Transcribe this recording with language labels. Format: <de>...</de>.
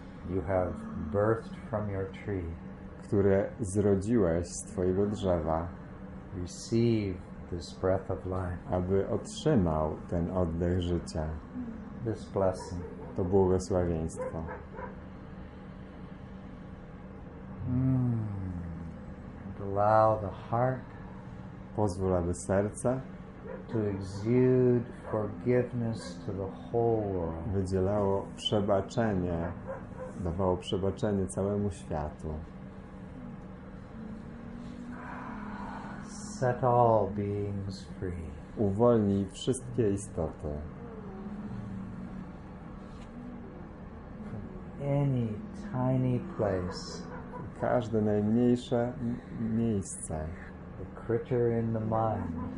<en>You have birthed from your tree.</en> <pl>Które zrodziłeś z twojego drzewa.</pl> <en>Receive this breath of life.</en> <pl>Aby otrzymał ten oddech życia.</pl> <en>This blessing.</en> <pl>To błogosławieństwo.</pl> <en>And allow the heart.</en> <pl>Pozwól, aby serce</pl> <en>to exude forgiveness to the whole world.</en> <pl>Wydzielało przebaczenie, dawało przebaczenie całemu światu.</pl> <en>Set all beings free.</en> <pl>Uwolnij wszystkie istoty.</pl> <en>From any tiny place.</en> <pl>Każde najmniejsze miejsce.</pl> <en>The creature in the mind,</en>